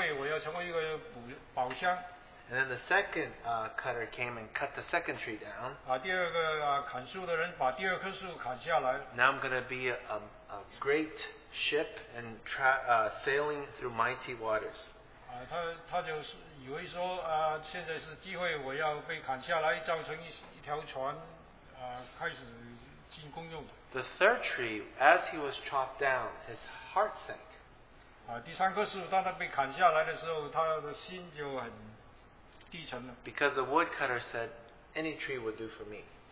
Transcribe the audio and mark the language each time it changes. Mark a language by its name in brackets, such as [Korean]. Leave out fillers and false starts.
[Chinese] 第一棵树就想，好了，现在是我的机会，我要成为一个宝箱。 [English] And then the second cutter came and cut the second tree down. [Chinese] 第二个砍树的人把第二棵树砍下来。 [English] Now I'm going to be a great ship and sailing through mighty waters. [Chinese] 他就以为说，现在是机会，我要被砍下来，造成一条船，开始进公用。 [English] The third tree, as he was chopped down, his heart sank. [Chinese] 第三棵树，当他被砍下来的时候，他的心就很低沉了。 [English] Because the woodcutter said, any tree would do for me.